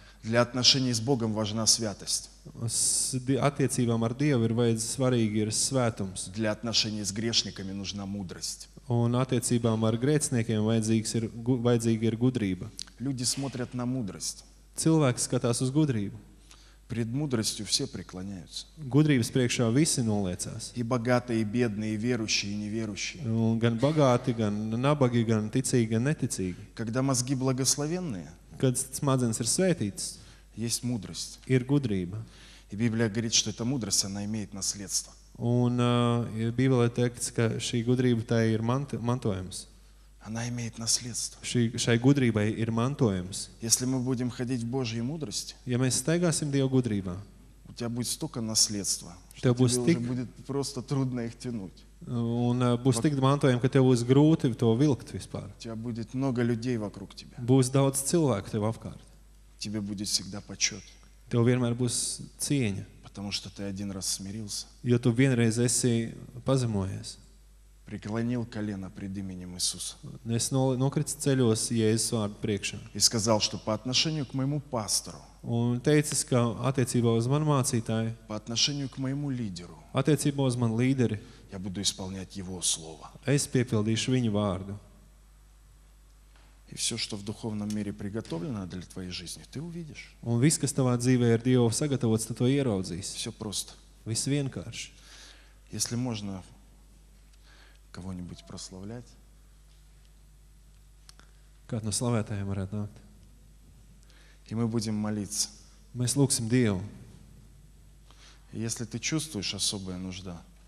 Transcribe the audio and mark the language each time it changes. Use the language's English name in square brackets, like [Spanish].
[Russian] Для отношений с Богом важна святость. [Latvian] Attiecībām ar Dievu ir vajadz svarīgi ir svētums. [Russian] Для отношений с грешниками нужна мудрость. [Latvian] Un attiecībām ar grēciniekiem vajadzīga ir gudrība. [Russian] Люди смотрят на мудрость. [Latvian] Cilvēks skatās uz gudrību. [Russian] Пред мудростью все преклоняются. [Latvian] Gudrības priekšā visi noliecās. [Russian] И богатые, и бедные, и верующие, и неверующие. [Latvian] Un gan bagāti, gan nabagi, gan ticīgi, gan neticīgi. [Russian] Когда мозги благословенные, [Latvian] kad smadzenes ir svētītas, [Russian] есть мудрость. [Latvian] Ir gudrība. [Russian] И Библия говорит, что эта мудрость, она имеет наследство. [Latvian] Un Bībelē teikts, ka šī gudrība tai ir mantojums. [Russian] Она имеет наследство. [Latvian] Šai gudrībai ir mantojums. [Russian] Если мы будем ходить в Божьей мудрости, [Latvian] ja mēs staigāsim Dieva gudrībā, [Russian] у тебя будет столько наследства, что тебе уже будет просто трудно их тянуть. [Latvian] Un būs tik mantojumi, ka tev būs grūti to vilkt vispār. [Russian] У тебя будет много людей вокруг тебя. [Latvian] Būs daudz cilvēku tev apkārt. [Russian] Тебе будет всегда почет. [Latvian] Tev vienmēr būs cieņa. [Russian] Потому что ты один раз смирился. [Latvian] Jo tu vienreiz esi pazemojies. [Russian] Преклонил колено пред именем Иисуса. [Latvian] Es nokritis ceļos Jēzus vārdu priekšā. [Russian] И сказал, что по отношению к моему пастору. [Latvian] Un teicis, ka attiecībā uz manu mācītāju. [Russian] По отношению к моему лидеру. [Latvian] Attiecībā uz manu līderi. [Russian] Я буду исполнять его слово. [Latvian] Es piepildīšu viņu vārdu. [Russian] И все, что в духовном мире приготовлено для твоей жизни, ты увидишь. [Latvian] Un viss, kas tavā dzīvē ir Dieva sagatavots, tu to ieraudzīsi. [Russian] Все просто. [Latvian] Viss vienkārši. [Russian] Если можно кого-нибудь прославлять. Как на славятаем варят нат. И мы будем молиться. Мы слуксим Деву. Если ты чувствуешь особая нужда.